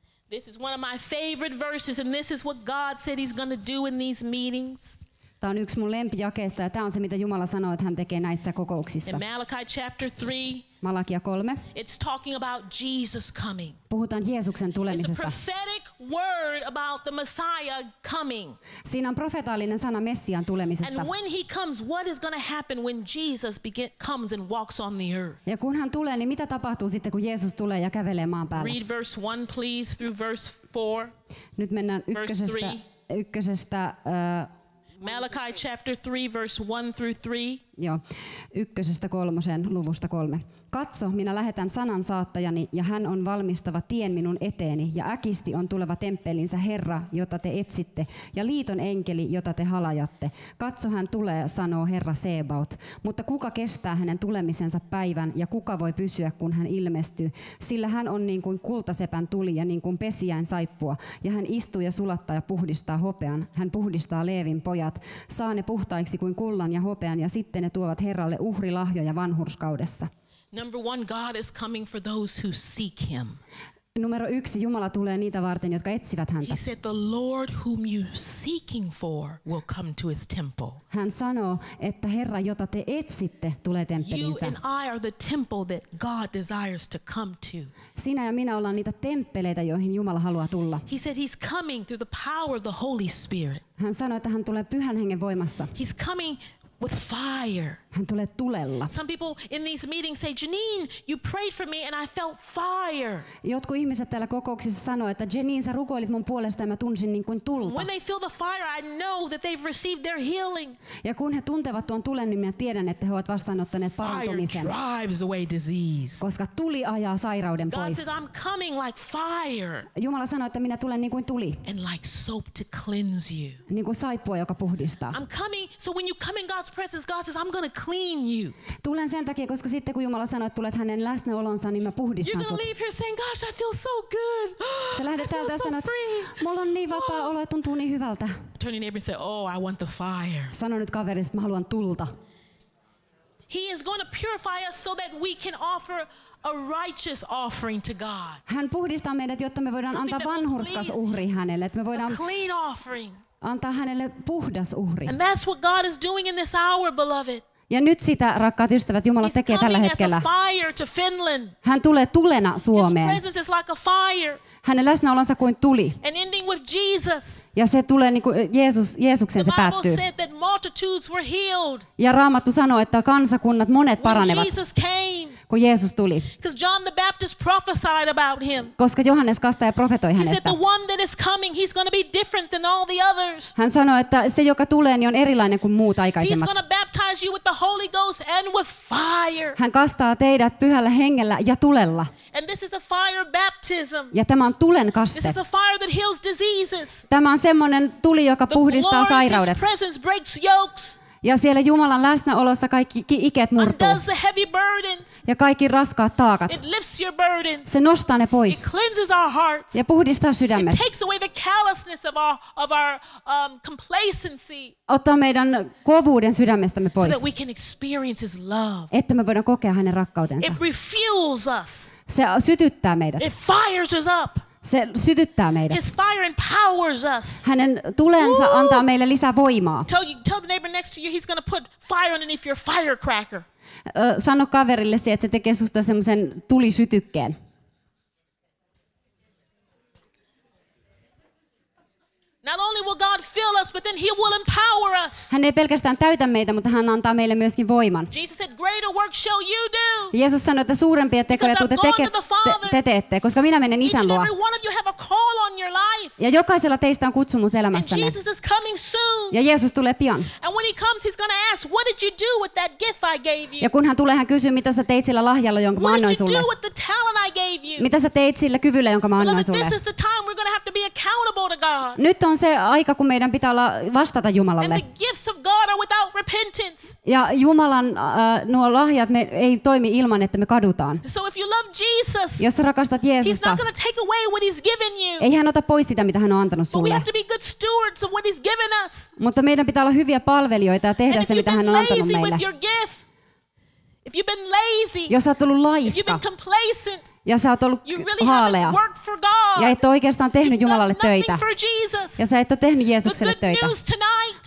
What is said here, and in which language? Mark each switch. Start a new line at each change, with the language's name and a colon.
English: This is one of my favorite verses, and this is what God said he's going to do in these meetings.
Finnish: Tämä on yksi mun lempijakeista, ja tämä on se, mitä Jumala sanoo, että hän tekee näissä kokouksissa.
English: In Malachi chapter 3.
Finnish: Malakia 3.
English: It's talking about Jesus coming.
Finnish: Puhutaan Jeesuksen tulemisesta.
English: It's a prophetic word about the Messiah coming.
Finnish: Siinä on profetaalinen sana Messiaan tulemisesta.
English: And when he comes, what is going to happen when Jesus comes and walks on the earth?
Finnish: Ja kun hän tulee, niin mitä tapahtuu sitten, kun Jeesus tulee ja kävelee maan päällä?
English: Read verse 1 please through verse 4.
Finnish: Nyt mennään ykkösestä
English: Malachi chapter 3 verse 1 through 3.
Finnish: Joo. Ykkösestä kolmosen luvusta 3. Katso, minä lähetän sanan saattajani ja hän on valmistava tien minun eteeni ja äkisti on tuleva temppelinsä Herra, jota te etsitte ja liiton enkeli, jota te halajatte. Katso, hän tulee, sanoo Herra Sebaot. Mutta kuka kestää hänen tulemisensa päivän ja kuka voi pysyä, kun hän ilmestyy? Sillä hän on niin kuin kultasepän tuli ja niin kuin pesiäin saippua ja hän istuu ja sulattaa ja puhdistaa hopean. Hän puhdistaa Leevin pojat, saa ne puhtaiksi kuin kullan ja hopean ja sitten ne tuovat Herralle uhrilahjoja vanhurskaudessa.
English: Number one, God is coming for those who seek him.
Finnish: Numero yksi, Jumala tulee niitä varten, jotka etsivät häntä.
English: He said, the Lord whom you seeking for will come to his temple.
Finnish: Hän sanoo, että Herra, jota te etsitte, tulee temppeliinsä.
English: You and I are the temple that God desires to come to.
Finnish: Sinä ja minä ollaan niitä temppeleitä, joihin Jumala haluaa tulla.
English: He said he's coming through the power of the Holy Spirit.
Finnish: Hän sanoi, että hän tulee Pyhän Hengen voimassa.
English: He's coming with fire.
Finnish: Hän tulee tulella.
English: Some people in these meetings say, Juennine, you prayed for me and I felt fire.
Finnish: Jotkut ihmiset täällä kokouksissa sanoo, että Juennine, sä rukoilit mun puolesta ja mä tunsin niin kuin tulta.
English: When they feel the fire, I know that they've received their healing.
Finnish: Ja kun he tuntevat tuon tulen, niin minä tiedän, että he ovat vastaanottaneet parantumisen.
English: Fire drives away disease.
Finnish: Koska tuli ajaa sairauden pois.
English: God says, I'm coming like fire.
Finnish: Jumala sanoi, että minä tulen niin kuin tuli.
English: And like soap to cleanse you.
Finnish: Niin kuin saippua, joka puhdistaa.
English: I'm coming, so when you come in God's God's presence, God says, I'm going to clean you.
Finnish: Tulen sen takia, koska sitten kun Jumala sanoi, että tulet hänen läsnäolonsa, niin mä puhdistan sut.
English: You're going to leave here saying, gosh, I feel so good.
Finnish: Sä lähdet täältä sanat, mulla on niin vapaa olo, että tuntuu niin hyvältä.
English: Turn your neighbor and say, oh, I want the fire.
Finnish: Sano nyt kaverille, että mä haluan tulta.
English: He is going to purify us so that we can offer a righteous offering to God.
Finnish: Hän puhdistaa meidät, jotta me voidaan antaa vanhurskas uhri hänelle, että me voidaan
English: clean offering.
Finnish: Antaa hänelle puhdas uhri.
English: And that's what God is doing in this hour, beloved.
Finnish: Ja nyt sitä, rakkaat ystävät, Jumala
English: He's
Finnish: tekee tällä hetkellä.
English: As a fire to Finland.
Finnish: Hän tulee tulena Suomeen.
English: His presence is like a fire.
Finnish: Hänen läsnäolonsa kuin tuli.
English: And ending with Jesus.
Finnish: Ja se tulee niin kuin Jeesuksen se päättyy.
English: The Bible said that multitudes were healed.
Finnish: Ja Raamattu sanoo, että kansakunnat monet paranevat.
English: When Jesus came.
Finnish: Kun Jeesus tuli.
English: Because John the Baptist prophesied about him.
Finnish: Koska Johannes Kastaja profetoi hänestä.
English: He said the one that is coming, he's going to be different than all the others.
Finnish: Hän sanoi, että se joka tulee, niin on erilainen kuin muut aikaisemmat.
English: He's going to baptize you with the Holy Ghost and with fire.
Finnish: Hän kastaa teidät pyhällä hengellä ja tulella.
English: And this is a fire baptism.
Finnish: Ja tämä on tulen kaste.
English: This is a fire that heals diseases.
Finnish: Tämä on semmoinen tuli, joka puhdistaa sairaudet.
English: The glory of his presence breaks yokes.
Finnish: Ja siellä Jumalan läsnäolossa kaikki iket murtuu. Ja kaikki raskaat taakat.
English: It lifts your burdens.
Finnish: Se nostaa ne pois.
English: It cleanses our hearts.
Finnish: Ja puhdistaa sydämet.
English: It takes away the callousness of our complacency.
Finnish: Ottaa meidän kovuuden sydämestämme pois.
English: So that we can experience his love.
Finnish: Että me voidaan kokea hänen rakkautensa.
English: It refuels us.
Finnish: Se sytyttää meidät.
English: It fires us up.
Finnish: Se sytyttää meidät.
English: His fire empowers us.
Finnish: Hänen tulensa antaa meille lisää voimaa.
English: Tell the neighbor next to you he's going to put fire underneath your firecracker.
Finnish: Sano kaverillesi, että se tekee susta semmoisen tulisytykkeen.
English: Not only will God fill us, but then he will empower us.
Finnish: Hän ei pelkästään täytä meitä, mutta hän antaa meille myöskin voiman.
English: Jesus said, greater work shall you do.
Finnish: Jeesus sanoi, että suurempia tekoja tuutte teette, koska minä menen isän luo.
English: Each and every one of you have a call on your life.
Finnish: Ja jokaisella teistä on kutsumus elämässänne.
English: And Jesus is coming soon.
Finnish: Ja Jeesus tulee pian.
English: And when he comes, he's going to ask, what did you do with that gift I gave you?
Finnish: Ja kun hän tulee, hän kysyy, mitä sä teit sillä lahjalla, jonka mä annoin sulle.
English: What did you do with the talent I gave you?
Finnish: Mitä sä teit sillä kyvyllä, jonka mä annoin sulle?
English: This is the time we're going to have to be accountable to God.
Finnish: Nyt on se aika, kun meidän pitää olla vastata Jumalalle.
English: And the gifts of God are without repentance.
Finnish: Ja Jumalan nuo lahjat me ei toimi ilman, että me kadutaan.
English: So if you love Jesus,
Finnish: jos sä rakastat Jeesusta,
English: he's not going to take away what he's given you.
Finnish: Ei hän ota pois sitä, mitä hän on antanut sulle.
English: But we have to be good stewards of what he's given us.
Finnish: Mutta meidän pitää olla hyviä palvelijoita ja tehdä
English: and
Finnish: se, mitä hän on antanut meille.
English: With your gift, if you've been lazy,
Finnish: jos sä oot ollut laiska,
English: if you've been complacent,
Finnish: ja sä oot ollut
English: really
Finnish: haalea.
English: Work for God.
Finnish: Ja et ole oikeastaan tehnyt
English: You've
Finnish: Jumalalle töitä.
English: For Jesus.
Finnish: Ja sä et ole tehnyt Jeesukselle töitä.
English: Tonight,